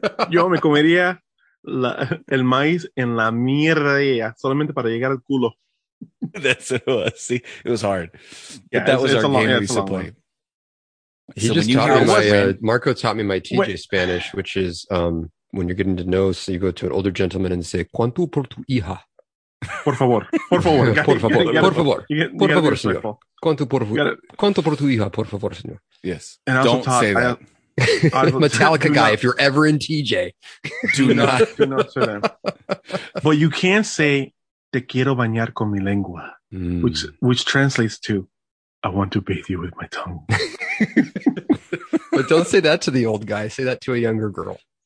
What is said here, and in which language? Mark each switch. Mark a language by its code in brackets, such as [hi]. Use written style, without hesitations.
[es] Yo me comería el maíz en la mierda solamente para llegar al culo. [en] That's what it was. See, it was hard. Yeah, but that was our game we used to play. He so just taught me Marco taught me my TJ Spanish, which is when you're getting to know, so you go to an older gentleman and say, [es] ¿Cuánto por tu hija? Por favor, por favor. Por favor, por favor, por favor, señor. ¿Cuánto por tu hija, por favor, señor? [en] Yes. And also don't say that. Metallica guy, if you're ever in TJ, do not say that. But you can say, [es] te quiero bañar con mi lengua, [en] which translates to, I want to bathe you with my tongue. But don't say that to the old guy. Say that to a younger girl.